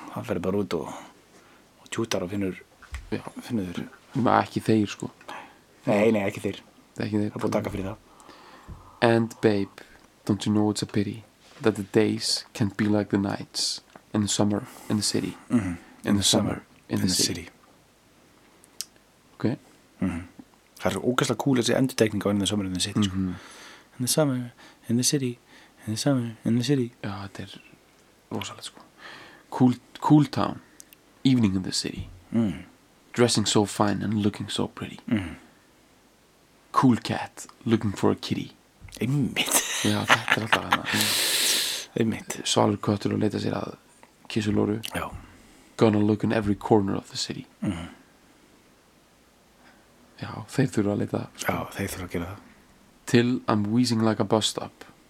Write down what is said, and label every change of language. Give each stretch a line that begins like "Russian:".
Icelandic: Það fer bara út og tjútar og finnur þur ekki þeir sko. Nei, ekki þeir það er búið að taka fyrir það
English: And babe, don't you know it's a pity that the days can be like the nights in the summer in the city in the summer in the city.
Icelandic: Það er ógæslega kúl þessi endurtekning á
English: in the summer in the city
Icelandic: sko.
English: In the summer in the city
Icelandic: Það er saman, en það sér í Já, þetta er rosalega sko
English: cool town, evening in the city Dressing so fine and looking so pretty Cool cat, looking for a kitty
Icelandic: Einmitt Já, þetta er alltaf hennar Einmitt Svalur köttur og leita sér að kissu lóru Já
English: Gonna look in every corner of the city
Icelandic: Já, þeir þurfa að leita sko. Já, þeir þurfa að gera það
English: Till I'm wheezing like a bus stop